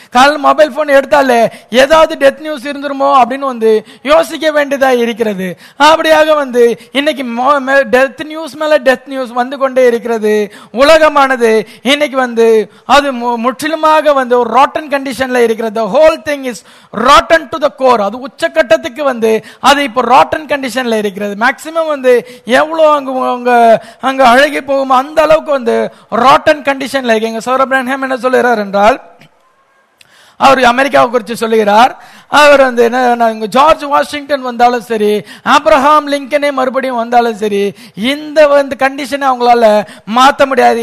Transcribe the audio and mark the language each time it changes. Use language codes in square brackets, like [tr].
[ta] காலையில் mobile phone எடுத்தாலே ஏதாவது டெத் நியூஸ் இருந்துருமோ அப்படின்னு வந்து யோசிக்க வேண்டியதா இருக்கிறது. அப்படியாக வந்து இன்னைக்கு டெத் நியூஸ் மேல டெத் நியூஸ் வந்து கொண்டே இருக்கிறது. உலகமானது இன்னைக்கு வந்து அது முற்றிலுமாக வந்து ஒரு ரோட்டன் கண்டிஷன்ல இருக்கிறது. [en] The whole thing is rotten to the core. [ta] அது உச்சக்கட்டத்துக்கு வந்து அது இப்ப ரோட்டன் கண்டிஷன்ல இருக்கிறது. மேக்சிமம் வந்து எவ்வளவு அங்க அழுகி போகுமோ அந்த அளவுக்கு வந்து ரோட்டன் கண்டிஷன்ல இருக்கு. சௌர பிரான்ஹாம் என்ன சொல்லுகிறார் என்றால், அவர் அமெரிக்காவை குறித்து சொல்லுகிறார். அவர் வந்து என்ன, ஜார்ஜ் வாஷிங்டன் வந்தாலும் சரி, ஆப்ரஹாம் லிங்கனே மறுபடியும் வந்தாலும் சரி, இந்த வந்து கண்டிஷனை அவங்களால மாற்ற முடியாது.